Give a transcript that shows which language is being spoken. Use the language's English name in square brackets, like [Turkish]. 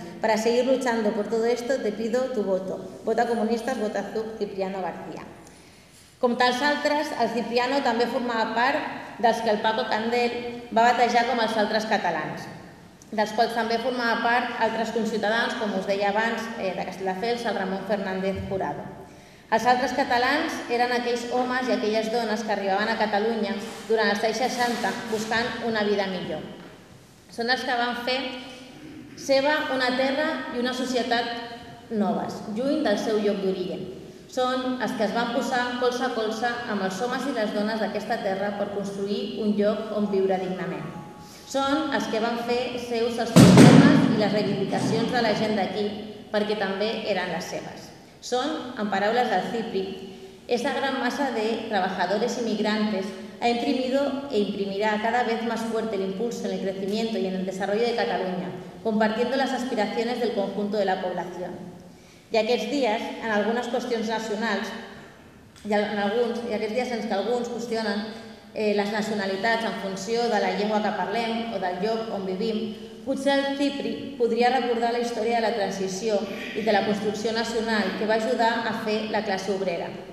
[Spanish] Para seguir luchando por todo esto, te pido tu voto. Vota comunistas, vota azul, Cipriano García. [Catalan] Com tals altres, el Cipriano també formava part dels que el Paco Candel va batejar com els altres catalans, dels quals també formava part altres conciutadans, com us deia abans, de Castelldefels, el Ramon Fernández Jurado. Els altres catalans eren aquells homes i aquelles dones que arribaven a Catalunya durant els anys 60 buscant una vida millor. Són els que van fer seva una terra i una societat noves, lluny del seu lloc d'origen. Són els que es van posar colze a colze amb els homes i les dones d'aquesta terra per construir un lloc on viure dignament. Són els que van fer seus els problemes i les reivindicacions de la gent d'aquí perquè també eren les seves. Són, en paraules del Cipri, [Spanish] esa gran massa de trabajadores inmigrantes ha imprimido e imprimirá cada vez más fuerte el impulso en el crecimiento y en el desarrollo de Cataluña, compartiendo las aspiraciones del conjunto de la población. [Catalan] I aquests dies, en algunes qüestions nacionals, en què alguns qüestionen les nacionalitats en funció de la llengua que parlem o del lloc on vivim, potser el Cipri podria recordar la història de la transició i de la construcció nacional que va ajudar a fer la classe obrera,